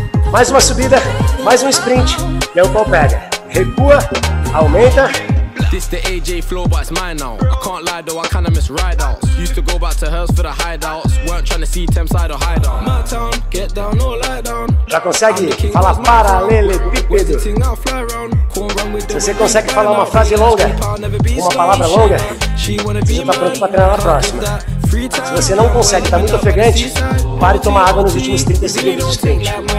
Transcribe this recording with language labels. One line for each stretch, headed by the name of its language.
Portuguese: Mais uma subida, mais um sprint. E aí o pau pega. Recua, aumenta.
English: This the AJ flow, but it's mine now. I can't lie though, I kinda miss rideouts. Used to go back to hers for the hideouts. Weren't trying to see Thameside or hide on. Get down or lie down.
Portuguese: Já consegue falar paralelepípedo? Se você consegue falar uma frase longa, uma palavra longa, você tá pronto pra treinar na próxima. Se você não consegue, tá muito ofegante, pare de tomar água nos últimos 30 segundos de sprint.